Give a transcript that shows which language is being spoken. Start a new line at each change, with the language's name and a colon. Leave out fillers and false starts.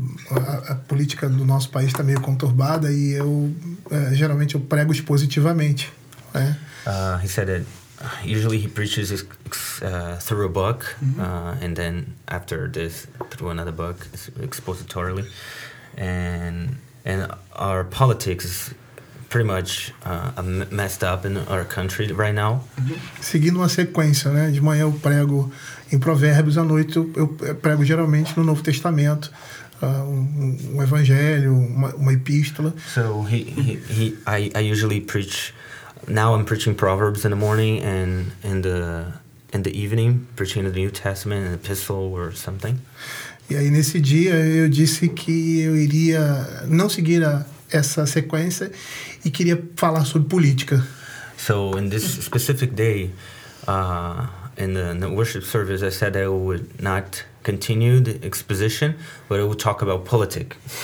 Portuguese: A política do nosso país está meio conturbada e eu geralmente eu prego expositivamente, né?
English: He said that usually he preaches through a book, uhum. And then after this through another book expositorily, and our politics pretty much messed up in our country right now.
Portuguese: Seguindo uma sequência, né? De manhã eu prego em Provérbios, à noite eu prego geralmente no Novo Testamento, um evangelho, uma epístola.
English: So I usually preach. Now I'm preaching Proverbs in the morning and in the evening preaching the New Testament, an epistle or something.
Portuguese: E aí nesse dia eu disse que eu iria não seguir essa sequência e queria falar sobre política.
English: So in this specific day, in the worship service, I said I would not continue the exposition, but I would talk about politics.